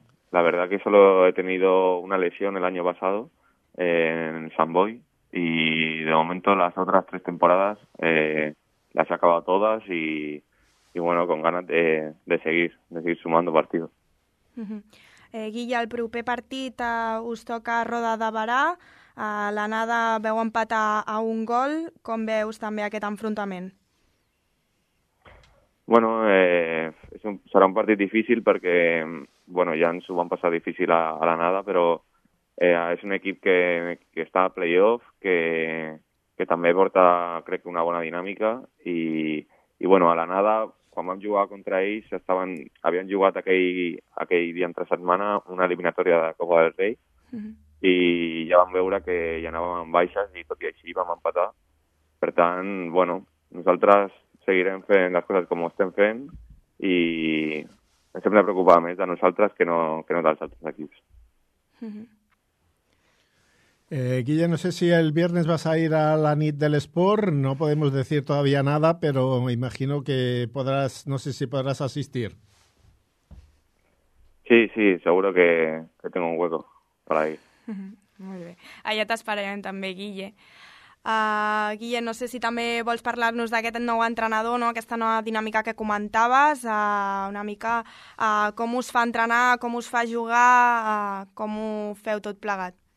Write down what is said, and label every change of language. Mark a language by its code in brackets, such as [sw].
[es] La verdad que solo he tenido una lesión el año pasado en San Boi. Y de momento las otras tres temporadas las he acabado todas. Y bueno, con ganas de seguir sumando partidos. [ca] Uh-huh. Guille, el proper partit us toca Roda de Barà. A l'anada veu empatar a un gol. Com veus també aquest enfrontament? Bueno, serà un partit difícil perquè, bueno, ja ens ho van passar difícil a l'anada, però és un equip que està a play-off, que també porta, crec, una bona dinàmica i bueno, a l'anada, quan vam jugar contra ells, havien jugat aquell dia entre setmana una eliminatòria de Copa del Rei. Mm-hmm. I ja vam veure que ja anàvem en baixes i tot i així vam empatar. Per tant, bueno, nosaltres seguirem fent les coses com ho estem fent i ens hem de preocupar més de nosaltres que no dels altres equips. Uh-huh. [es] Guille, no sé si el viernes vas a ir a la nit del Sport, no podemos decir todavía nada, pero imagino que podrás, no sé si podrás asistir. Sí, sí, seguro que tengo un hueco para ir. Muy bien. Allá te [ca] esperarem també, [es] Guille. [ca] Guille, no sé si també vols parlar-nos d'aquest nou entrenador, no? Aquesta nova dinàmica que comentaves, una mica com us fa entrenar, com us fa jugar, com ho feu tot plegat.